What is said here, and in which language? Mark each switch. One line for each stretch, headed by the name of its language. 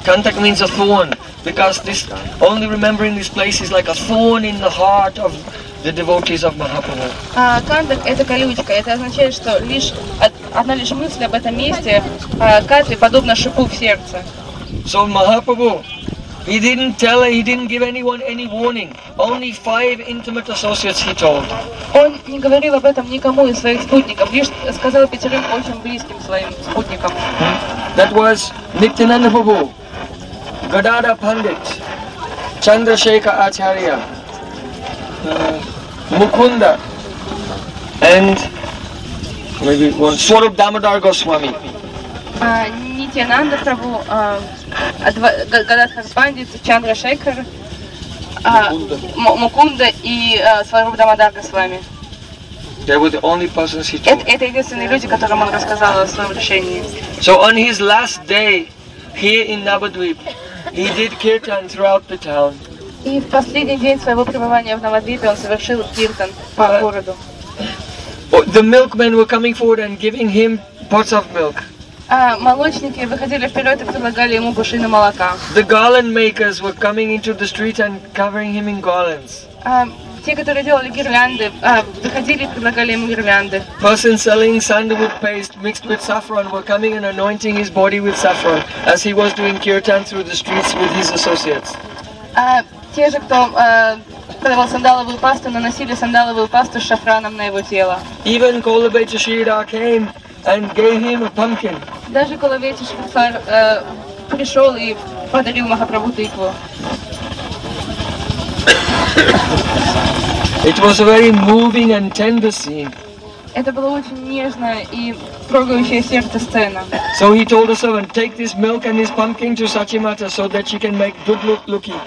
English: Kantak means a thorn, because this only remembering this place is like a thorn in the heart of the devotees of Mahaprabhu.
Russian: Kantak – это колючка, это означает, что одна лишь мысль об этом месте, Катве, подобно шипу в сердце.
English: So Mahaprabhu, he didn't give anyone any warning. Only 5 intimate associates he told.
Russian: Он не говорил об этом никому из своих спутников, лишь сказал пятерым очень близким своим спутникам.
English: That was Nityananda Prabhu, Gadada Pandit, Chandrasekhar Acharya, Mukunda, and maybe one Swarup Damodar Goswami.
Russian: Nityananda Prabhu, Гададхар Пандит, Чандрашекхар, Мукунда и Сварупа Дамодар Госвами. Это единственные люди, которым он рассказал о своем решении.
English: So on his last day here in Navadvip, he did kirtan throughout the town.
Russian: И в последний день своего пребывания в Навадвипе он совершил киртан по городу.
English: The milkmen were coming forward and giving him pots of milk.
Russian: Молочники выходили вперед и предлагали ему кувшины молока.
English: The garland makers were coming into the street and covering him in garlands.
Russian: Те, которые делали гирлянды, выходили и предлагали ему гирлянды.
English: Persons selling sandalwood paste mixed with saffron were coming and anointing his body with saffron as he was doing kirtan through the streets with his associates.
Russian: Те же, кто продавал сандаловую пасту, наносили сандаловую пасту с шафраном на его тело.
English: Even Kolabeta Shridhar came and gave him a pumpkin.
Russian: Даже Колавети Шрифар пришел и подарил Махапрабху тыкву.
English: It was a very moving and tender scene.
Russian: Это была очень нежная и трогающая сердце сцена.
English: So he told the servant, take this milk and this pumpkin to Sachimata so that she can make good looky.